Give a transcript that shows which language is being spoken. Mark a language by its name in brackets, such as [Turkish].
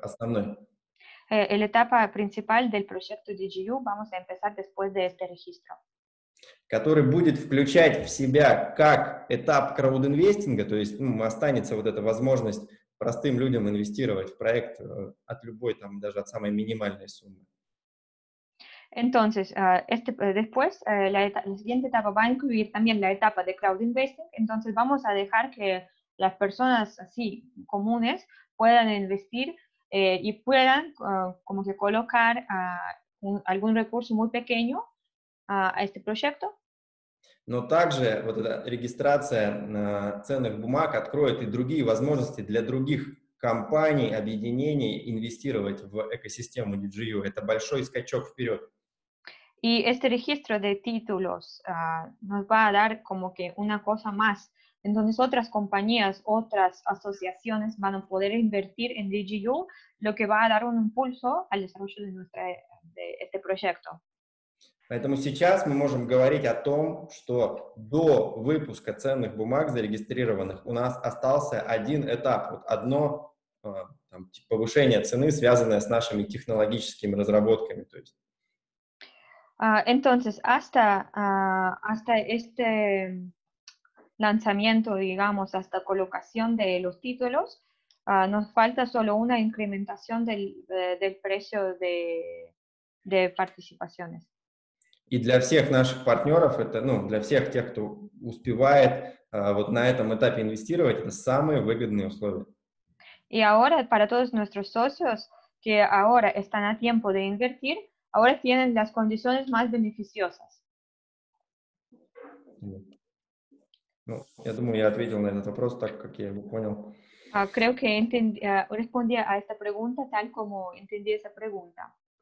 [Russian] Основной. [Spanish] El etapa principal del proyecto DGU vamos a empezar después de este registro. [Russian] Который будет включать в себя как этап краудинвестинга, то есть останется вот эта возможность простым людям инвестировать в проект от любой, там, даже от самой минимальной суммы. [Spanish] Entonces, después, la siguiente etapa va a incluir también la etapa de краудинвестинг. Entonces, vamos a dejar que las personas así, comunes, puedan investir y puedan como que colocar algún recurso muy pequeño a este proyecto. [Russian] Но также вот эта регистрация ценных бумаг откроет и другие возможности для других компаний, объединений инвестировать в экосистему DGU. Это большой скачок вперед. [Spanish] Y este registro de títulos nos va a dar como que una cosa más. Entonces otras compañías, otras asociaciones van a poder invertir en DGU, lo que va a dar un impulso al desarrollo de, nuestra, de este proyecto. [Russian] Поэтому сейчас мы можем говорить о том, что до выпуска ценных бумаг зарегистрированных у нас остался один этап, вот одно там, типа, повышение цены, связанное с нашими технологическими разработками. То есть. [Spanish] Entonces, hasta este lanzamiento, digamos, hasta colocación de los títulos, nos falta solo una incrementación del precio de participaciones. [Russian] И для всех наших партнеров, это, ну, для всех тех, кто успевает вот на этом этапе инвестировать, это самые выгодные условия. [Spanish] Y ahora, para todos nuestros socios, que ahora están a tiempo de invertir, ahora tienen las condiciones más beneficiosas. [Russian] Ну, я думаю, я ответил на этот вопрос так, как я его понял. [Spanish] Creo que respondí a esta pregunta tal como entendí esa pregunta.